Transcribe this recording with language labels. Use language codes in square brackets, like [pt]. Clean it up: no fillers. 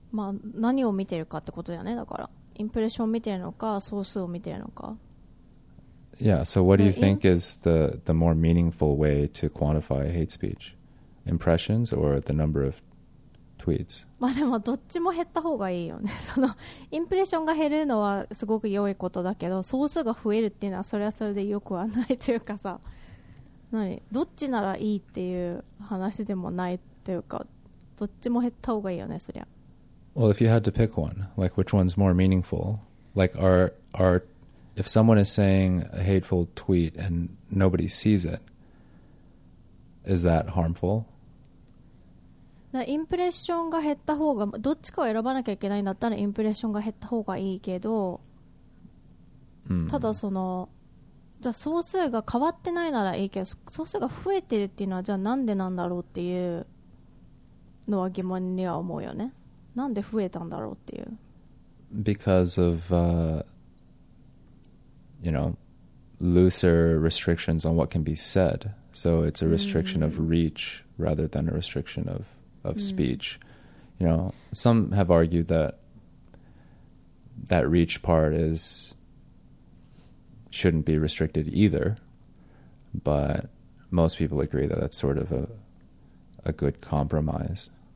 [ja] まあ何を見てるかってことだよね。だからインプレッションを見てるのか、総数を見てるのか。 [en] Yeah. So, what do you think is the more meaningful way to quantify hate speech? Impressions or the number of tweets? [ja] まあでもどっちも減った方がいいよね。そのインプレッションが減るのはすごく良いことだけど、総数が増えるっていうのはそれはそれで良くはないというかさ、何どっちならいいっていう話でもないというか、どっちも減った方がいいよね、そりゃ。 [en] Well, if you had to pick one, like which one's more meaningful? Like are if someone is saying a hateful tweet and nobody sees it. Is that harmful? The impression [ja] が減った方が、どっちかを選ばなきゃいけないんだったら、インプレッションが減った方がいいけど、ただその、じゃあ総数が変わってないならいいけど、総数が増えてるっていうのは、じゃあなんでなんだろうっていうのは疑問には思うよね。なんで増えたんだろうっていう。 [en] Because of, you know, looser restrictions on what can be said. So it's a restriction of reach rather than a restriction of speech. You know, some have argued that reach part shouldn't be restricted either, but most people agree that that's sort of a good compromise.